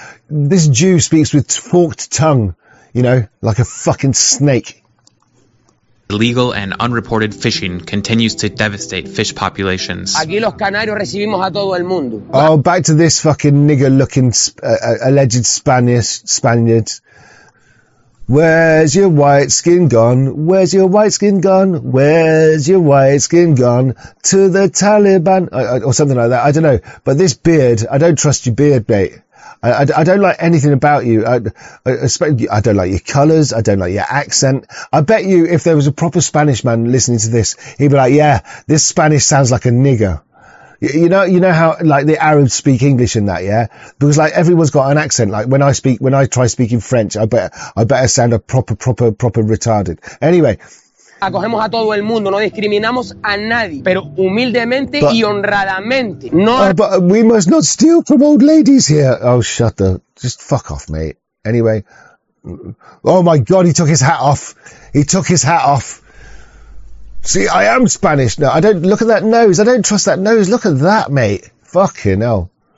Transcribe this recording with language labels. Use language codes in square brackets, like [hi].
[en] This Jew speaks with forked tongue, you know, like a fucking snake. Illegal and unreported fishing continues to devastate fish populations. [es] Aquí los canarios recibimos a todo el mundo. [en] Oh, back to this fucking nigger-looking alleged Spaniard. Where's your white skin gone? Where's your white skin gone? Where's your white skin gone? To the Taliban. Or something like that. I don't know. But this beard, I don't trust your beard, mate. I don't like anything about you. I don't like your colours. I don't like your accent. I bet you if there was a proper Spanish man listening to this, he'd be like, yeah, this Spanish sounds like a nigger. You know how like the Arabs speak English in that, yeah? Because like everyone's got an accent. Like when I try speaking French, I better sound a proper retarded. Anyway. [es] acogemos a todo el mundo, no discriminamos a nadie, pero humildemente y honradamente. [en] No. But we must not steal from old ladies here. Oh, shut the... Just fuck off, mate. Anyway. Oh my God, he took his hat off. He took his hat off. See, I am Spanish now. I don't... Look at that nose. I don't trust that nose. Look at that, mate. Fucking hell.